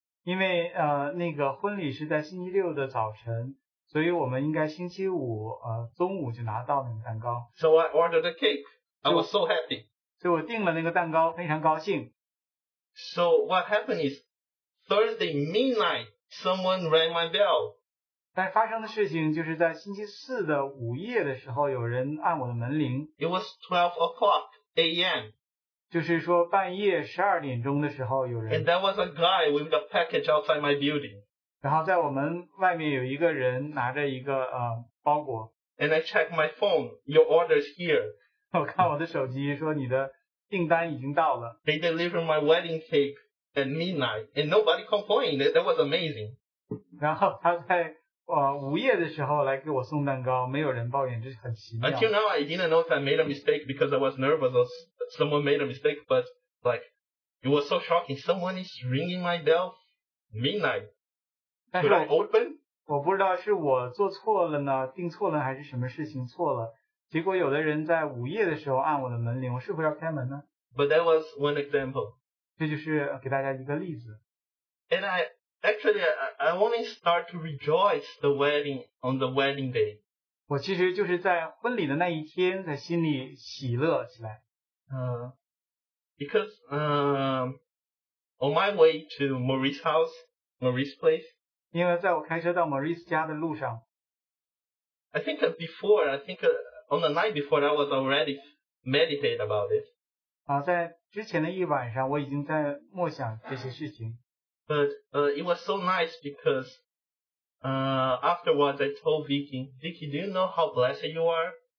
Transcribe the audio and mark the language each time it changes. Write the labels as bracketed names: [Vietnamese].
[Chinese] 因为那个婚礼是在星期六的早晨所以我们应该星期五中午就拿到那个蛋糕。 [English] So I ordered the cake. I was so happy. [Chinese] 所以我订了那个蛋糕非常高兴。 [English] So what happened is Thursday midnight, someone rang my bell. [Chinese] 但发生的事情就是在星期四的午夜的时候有人按我的门铃。 [English] It was 12 o'clock a.m. [Chinese] 就是说半夜12点钟的时候有人。 [English] And that was a guy with a package outside my building. [Chinese] 然后在我们外面有一个人拿着一个包裹。 [English] And I checked my phone, your order's here. [Chinese] 我看我的手机说你的订单已经到了。 [English] They delivered my wedding cake at midnight, and nobody complained, that was amazing. [Chinese] 然后他在午夜的时候来给我送蛋糕没有人抱怨这是很奇妙。 [English] Until now, I didn't know if I made a mistake because I was nervous or someone made a mistake, but like, it was so shocking. Someone is ringing my bell midnight. Should I open? [Chinese] 我不知道是我做错了呢定错了还是什么事情错了。结果有的人在午夜的时候按我的门铃我是不是要开门呢 [English] But that was one example. [Chinese] 这就是给大家一个例子。 [English] And I only start to rejoice the wedding on the wedding day. [Chinese] 我其实就是在婚礼的那一天在心里喜乐起来。 [English] Because, on my way to Maurice's house, Maurice's place. [Chinese] 因为在我开车到 Maurice 家的路上。 [English] I think on the night before I was already meditate about it. [Chinese] 在之前的一晚上我已经在默想这些事情。 [English] But, it was so nice because, afterwards I told Vicky, do you know how blessed you are?